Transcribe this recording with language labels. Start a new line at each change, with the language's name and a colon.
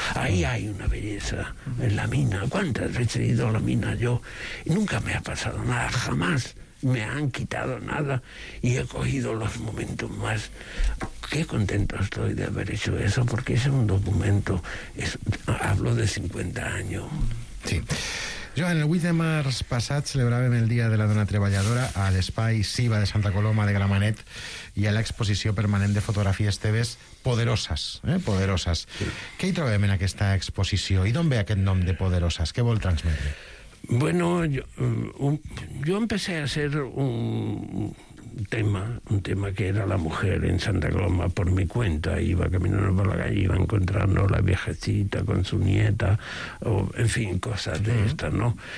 Spanish: Ahí hay una belleza, en la mina. ¿Cuántas veces he ido a la mina yo? Y nunca me ha pasado nada, jamás. Me han quitado nada y he cogido los momentos más... Qué contento estoy de haber hecho eso, porque es un documento, hablo de 50 años. Sí.
Catalan: Joan, el 8 de març passat celebràvem el Dia de la Dona Treballadora a l'Espai Siva de Santa Coloma de Gramenet i a l'exposició permanent de fotografies teves Poderosas, Poderosas. Sí. Què hi trobem en aquesta exposició i d'on ve aquest nom de Poderosas? Què vol transmetre?
Spanish: Bueno, yo empecé a hacer un tema que era la mujer en Santa Coloma por mi cuenta. Iba caminando por la calle, iba encontrando a la viejecita con su nieta, o, en fin, cosas de estas, ¿no?